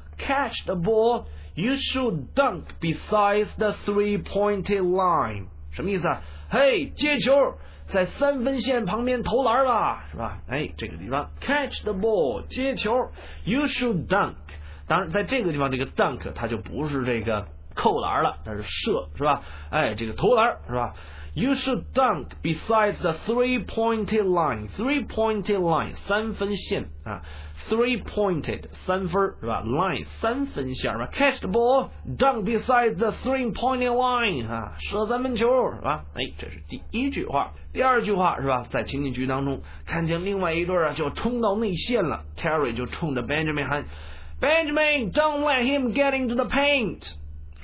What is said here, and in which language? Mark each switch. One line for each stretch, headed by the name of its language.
English: Catch the ball, you should dunk besides the three-pointed line,
Chinese: 什么意思啊？嘿，接球，在三分线旁边投篮吧，是吧？哎，这个地方
English: catch the ball,
Chinese: 接球，
English: you should dunk,
Chinese: 当然在这个地方这个 dunk 它就不是这个扣篮了，它是射，是吧？哎，这个投篮，是吧？
English: You should dunk besides the three-pointed line.
Chinese: Three-pointed line, 三分线啊。Three-pointed, 三分是吧 ？Line, 三分线吧。
English: Catch the ball, dunk besides the three-pointed line 啊，
Chinese: 射三分球是吧？哎，这是第一句话。第二句话是吧？在情景剧当中，看见另外一对啊，就冲到内线了。
English: Terry
Chinese: 就冲着
English: Benjamin 喊 ：“Benjamin, don't let him get into the paint。”